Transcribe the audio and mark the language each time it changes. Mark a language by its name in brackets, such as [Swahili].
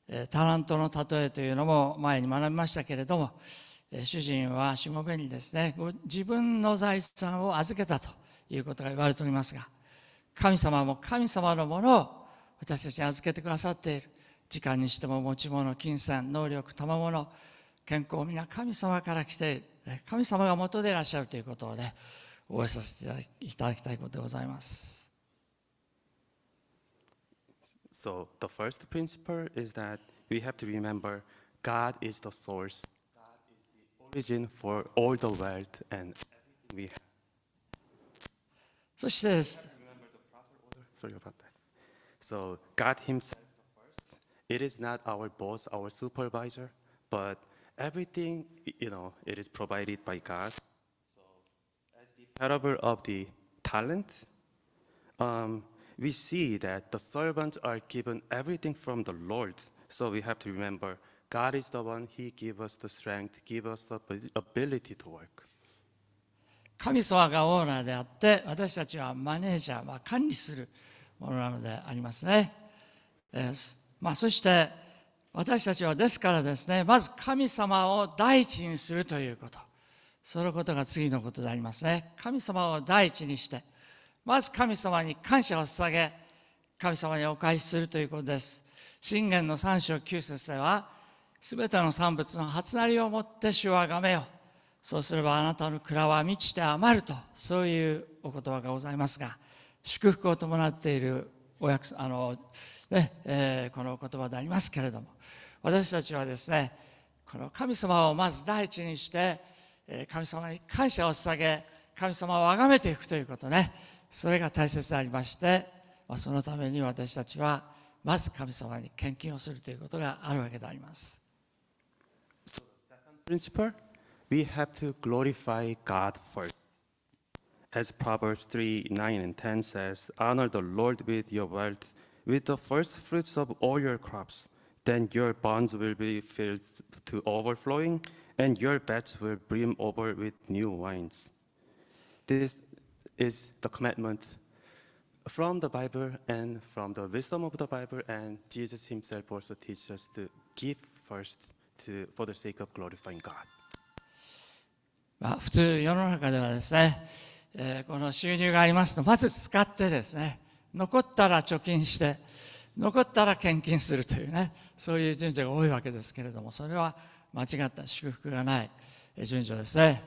[Japanese] タラントの例えというのも前に学びましたけれども、主人はしもべにですね、自分の財産を預けたということが言われておりますが、神様も神様のものを私たちに預けてくださっている。時間にしても持ち物、金銭、能力、賜物、健康、皆神様から来ている、神様が元でいらっしゃるということをね、覚えさせていただきたいことでございます。 [English] So the first principle is that we have to remember God is the source, God is the origin for all the wealth and everything we have. [Japanese] そしてです、 [English] So God himself the first. It is not our boss, our supervisor, but everything, you know, it is provided by God. So as the parable of the talent, we see that the servants are given everything from the Lord. So we have to remember God is the one, he gives us the strength, gives us the ability to work. [Japanese] 神様がオーナーであって、私たちはマネージャー、まあ、管理するものなのでありますね。まあ、そして私たちはですからですね、まず神様を第一にするということ、そのことが次のことでありますね。神様を第一にして、まず神様に感謝を捧げ、神様にお返しするということです。箴言の3章9節では、すべての産物の初なりをもって主をあがめよ、そうすればあなたの蔵は満ちて余ると、そういうお言葉がございますが、祝福を伴っているお約束、この言葉でありますけれども、私たちはですね、この神様をまず第一にして、神様に感謝を捧げ、神様をあがめていくということね、それが大切でありまして、まあ、そのために私たちはまず神様に献金をするということがあるわけであります。 [English] So the second principle, we have to glorify God firstAs Proverbs 3:9 and 10 says, Honor the Lord with your wealth, with the first fruits of all your crops. Then your barns will be filled to overflowing, and your vats will brim over with new wines. This is the commandment from the Bible and from the wisdom of the Bible, and Jesus himself also teaches us to give first to, for the sake of glorifying God. [Japanese] Well, 普通世の中ではですね、この収入がありますと、まず使ってですね、残ったら貯金して、残ったら献金するというね、そういう順序が多いわけですけれども、それは間違った、祝福がない順序ですね。